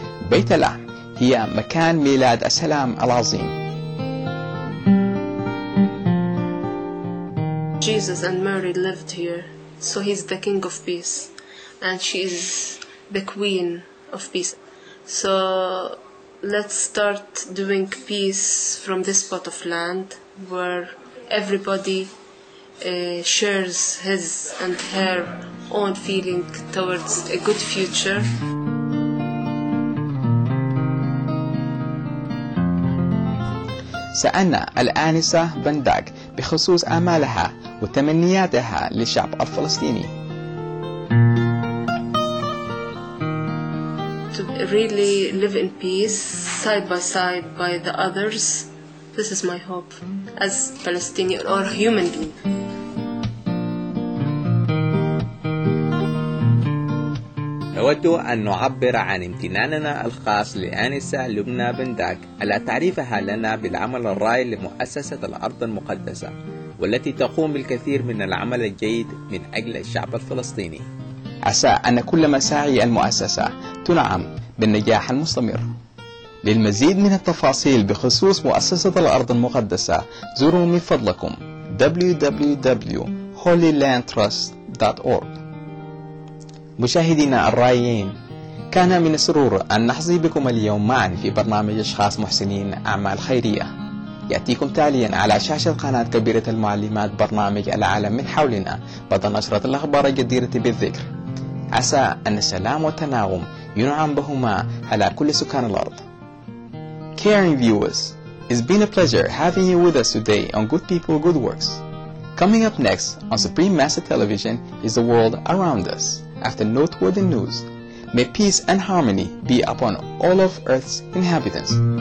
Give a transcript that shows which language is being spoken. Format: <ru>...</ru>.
<ar>بيت الله هي مكان ميلاد السلام العظيم.</ar> <en>Jesus and Mary lived here, so he's the king of peace, and she is the queen of peace. So let's start doing peace from this spot of land where everybody shares his and her own feeling towards a good future.</en> <ar>سألنا الآنسة بنداك بخصوص آمالها وتمنياتها للشعب الفلسطيني.</ar> <en>To really live in peace, side by side by the others, this is my hope as Palestinian or human being.</en> <ar>نود أن نعبر عن امتناننا الخاص لآنسة لبنى بنداك على تعريفها لنا بالعمل الراي لمؤسسة الأرض المقدسة والتي تقوم بالكثير من العمل الجيد من أجل الشعب الفلسطيني. عسى أن كل مساعي المؤسسة تنعم بالنجاح المستمر. للمزيد من التفاصيل بخصوص مؤسسة الأرض المقدسة زوروا من فضلكم www.holylandtrust.org. مشاهدينا الرائعين، كان من السرور أن نحظي بكم اليوم معا في برنامج أشخاص محسنين أعمال خيرية. يأتيكم تاليا على شاشة قناة كبيرة المعلمات برنامج العالم من حولنا بعد نشرة الأخبار الجديرة بالذكر. عسى أن السلام والتناغم ينعم بهما على كل سكان الأرض.</ar> <en>Caring viewers, it's been a pleasure having you with us today on Good People, Good Works. Coming up next on Supreme Master Television is the world around us. After noteworthy news, may peace and harmony be upon all of Earth's inhabitants.</en>